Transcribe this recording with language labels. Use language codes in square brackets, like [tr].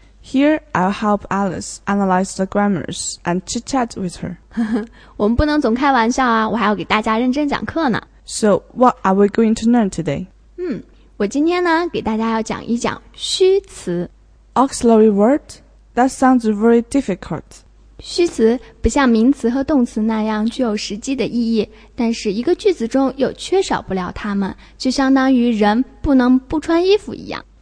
[en] Here, I'll help Alice analyze the grammars and chit-chat with her. [zh] 我们不能总开玩笑啊，我还要给大家认真讲课呢。 [en] So, what are we going to learn today? [zh] 我今天呢，给大家要讲一讲虚词。 [en] Auxiliary word? That sounds very difficult. [zh] 虚词不像名词和动词那样具有实际的意义，但是一个句子中又缺少不了它们，就相当于人不能不穿衣服一样。